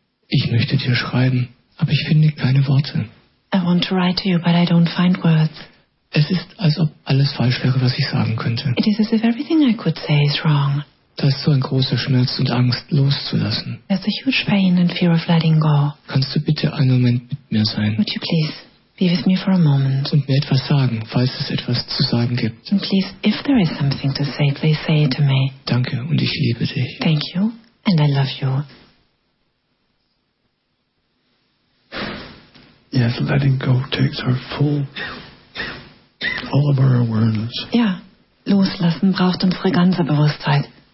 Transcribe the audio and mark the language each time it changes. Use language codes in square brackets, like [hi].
[de] Ich möchte dir schreiben, aber ich finde keine Worte. [en] I want to write to you, but I don't find words. [de] Es ist, als ob alles falsch wäre, was ich sagen könnte. [en] It is as if everything I could say is wrong. [de] Das ist so ein großer Schmerz und Angst, loszulassen. [en] There's a huge pain and fear of letting go. [de] Kannst du bitte einen Moment mit mir sein? [en] Would you please be with me for a moment? [de] Und mir etwas sagen, falls es etwas zu sagen gibt. [en] And please, if there is something to say, please say it to me. [de] Danke und ich liebe dich. [en] Thank you and I love you. Yes, letting go takes our all of our awareness. [de] Ja, loslassen braucht unsere ganze Bewusstheit.